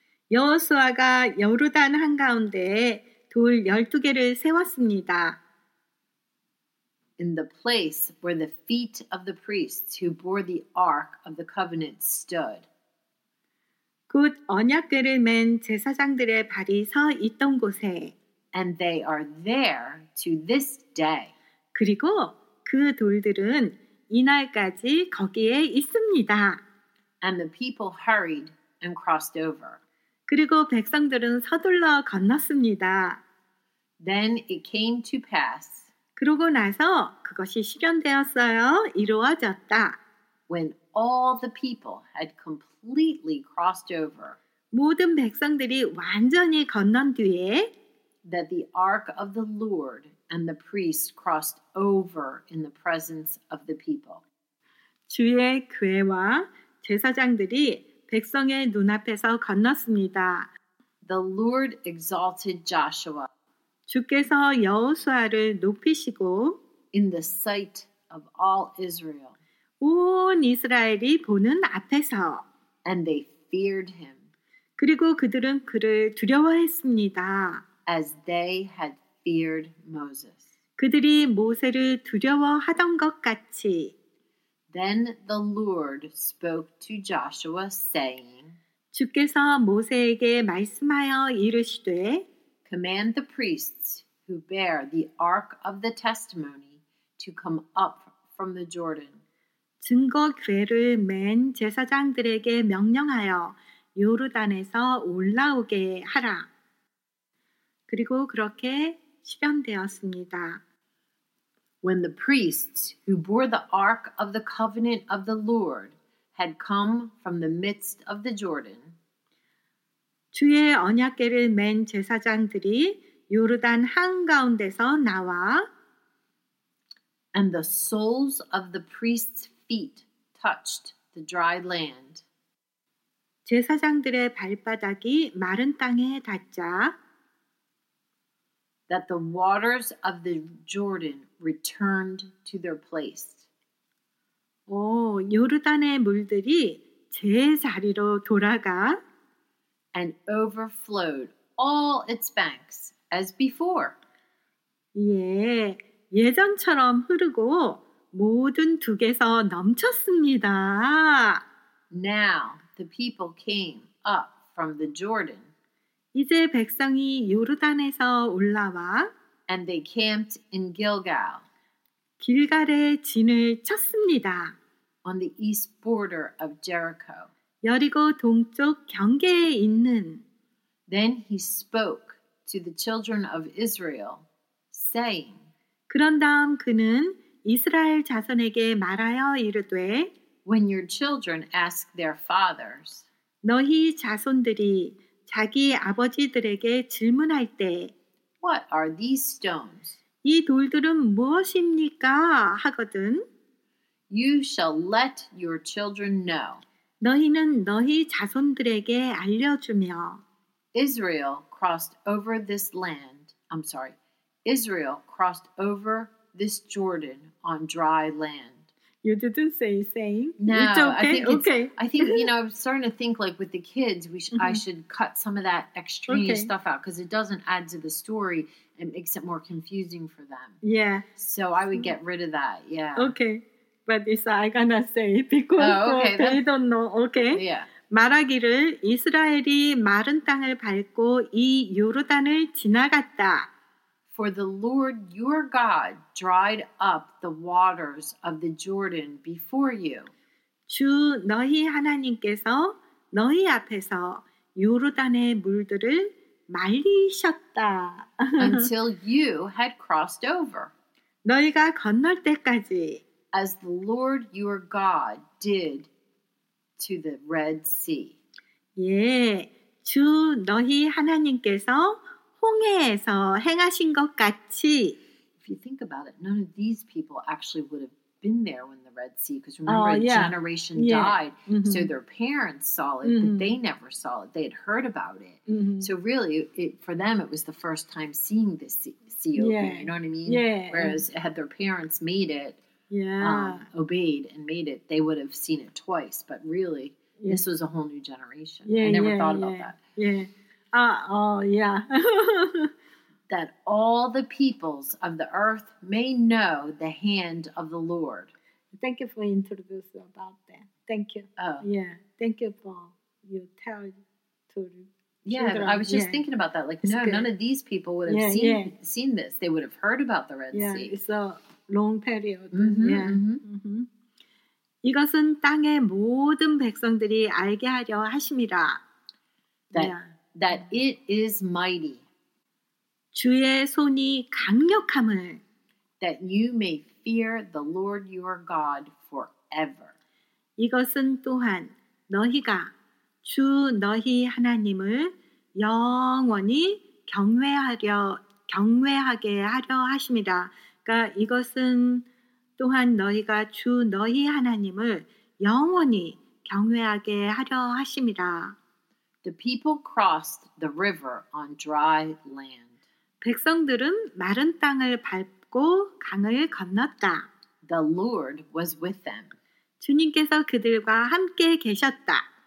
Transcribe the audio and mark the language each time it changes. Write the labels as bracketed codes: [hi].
[ko] 여호수아가 요르단 한가운데에 돌 12개를 세웠습니다. [en] In the place where the feet of the priests who bore the Ark of the Covenant stood. [ko] 곧 언약궤를 맨 제사장들의 발이 서 있던 곳에. [en] And they are there to this day. [ko] 그리고 그 돌들은 이날까지 거기에 있습니다. [en] And the people hurried and crossed over. [ko] 그리고 백성들은 서둘러 건넜습니다. [en] Then it came to pass. [ko] 그러고 나서 그것이 실현되었어요. 이루어졌다. [en] When all the people had completely crossed over. [ko] 모든 백성들이 완전히 건넌 뒤에 [en] that the ark of the Lord and the priests crossed over in the presence of the people. [ko] 주의 궤와 제사장들이 백성의 눈앞에서 건넜습니다. [en] The Lord exalted Joshua. [ko] 주께서 여호수아를 높이시고 [en] in the sight of all Israel. [ko] 온 이스라엘이 보는 앞에서 [en] and they feared him. [ko] 그리고 그들은 그를 두려워했습니다. [en] As they had feared Moses. [ko] 그들이 모세를 두려워하던 것 같이. [en] Then the Lord spoke to Joshua, saying, [ko] 주께서 모세에게 말씀하여 이르시되, [en] Command the priests who bear the Ark of the Testimony to come up from the Jordan. [ko] 증거 궤를 맨 제사장들에게 명령하여 요르단에서 올라오게 하라. 그리고 그렇게 실현되었습니다. [en] When the priests who bore the ark of the covenant of the Lord had come from the midst of the Jordan, [ko] 주의 언약궤를 맨 제사장들이 요르단 한가운데서 나와 [en] and the soles of the priests' feet touched the dry land. [ko] 제사장들의 발바닥이 마른 땅에 닿자 [en] that the waters of the Jordan returned to their place. [ko] 오, 요르단의 물들이 제자리로 돌아가 [en] and overflowed all its banks as before. [ko] 예, 예전처럼 흐르고 모든 둑에서 넘쳤습니다. [en] Now the people came up from the Jordan. [ko] 이제 백성이 요르단에서 올라와 [en] and they camped in Gilgal. [ko] 길갈에 진을 쳤습니다. [en] On the east border of Jericho. [ko] 여리고 동쪽 경계에 있는 [en] Then he spoke to the children of Israel, saying [ko] 그런 다음 그는 이스라엘 자손에게 말하여 이르되 [en] When your children ask their fathers [ko] 너희 자손들이 자기 아버지들에게 질문할 때 [en] What are these stones? [ko] 이 돌들은 무엇입니까? 하거든 [en] You shall let your children know. [ko] 너희는 너희 자손들에게 알려주며 [en] Israel crossed over this land. I'm sorry. Israel crossed over this Jordan on dry land. You didn't say same. No, it's okay. I think it's, okay. I think, you know, I'm starting to think like with the kids, we should, I should cut some of that extraneous okay. stuff out because it doesn't add to the story. It makes it more confusing for them. Yeah. So I would get rid of that. Yeah. Okay. But it's I gonna say because oh, okay. they That's, don't know. Okay. Yeah. [ko] 말하기를 이스라엘이 마른 땅을 밟고 이 요르단을 지나갔다. [en] For the Lord your God dried up the waters of the Jordan before you. [ko] 주 너희 하나님께서 너희 앞에서 요르단의 물들을 말리셨다. [en] Until you had crossed over. [ko] 너희가 건널 때까지. [en] As the Lord your God did to the Red Sea. [ko] 예, 주 너희 하나님께서 홍해에서 행하신 것 같이 [en] If you think about it, none of these people actually would have been there when the Red Sea, because remember, generation died. Mm-hmm. So their parents saw it, mm-hmm. but they never saw it. They had heard about it. Mm-hmm. So really, for them, it was the first time seeing this sea open. Yeah. You know what I mean? Yeah. Whereas had their parents made it, obeyed and made it, they would have seen it twice. But really, this was a whole new generation. Yeah, I never thought about that. That all the peoples of the earth may know the hand of the Lord. Thank you for introducing about that. Thank you. Thank you for your tell to children. I was just thinking about that. Like, none of these people would have seen this. They would have heard about the Red Sea. It's a long period. Mm-hmm, mm-hmm. [ko] 이것은 땅의 모든 백성들이 알게 하려 하심이라. [en] That it is mighty. [ko] 주의 손이 강력함을 [en] that you may fear the Lord your God forever. [ko] 이것은 또한 너희가 주 너희 하나님을 영원히 경외하게 하려 하심이라. 그러니까 이것은 또한 너희가 주 너희 하나님을 영원히 경외하게 하려 하심이라. [en] The people crossed the river on dry land. [ko] 백성들은 마른 땅을 밟고 강을 건넜다. [en] The Lord was with them. [ko] 주님께서 그들과 함께 계셨다.